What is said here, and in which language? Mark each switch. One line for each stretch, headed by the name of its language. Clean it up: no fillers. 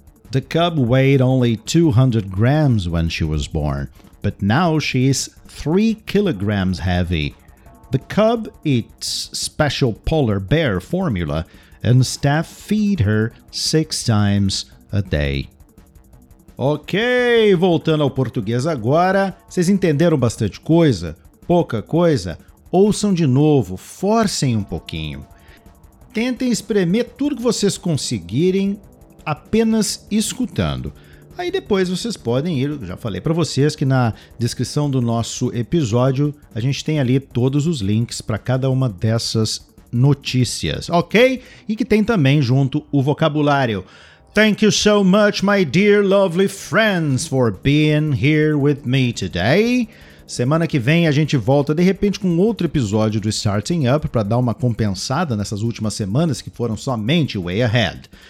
English: The cub weighed only 200 grams when she was born, but now she's 3 kilograms heavy. The cub eats special polar bear formula, and staff feed her 6 times a day.
Portuguese: Ok, voltando ao português agora, vocês entenderam bastante coisa? Pouca coisa? Ouçam de novo, forcem um pouquinho. Tentem espremer tudo que vocês conseguirem apenas escutando. Aí depois vocês podem ir, já falei para vocês que na descrição do nosso episódio a gente tem ali todos os links para cada uma dessas notícias, ok? E que tem também junto o vocabulário.
English: Thank you so much, my dear lovely friends, for being here with me today.
Portuguese: Semana que vem a gente volta de repente com outro episódio do Starting Up para dar uma compensada nessas últimas semanas que foram somente Way Ahead.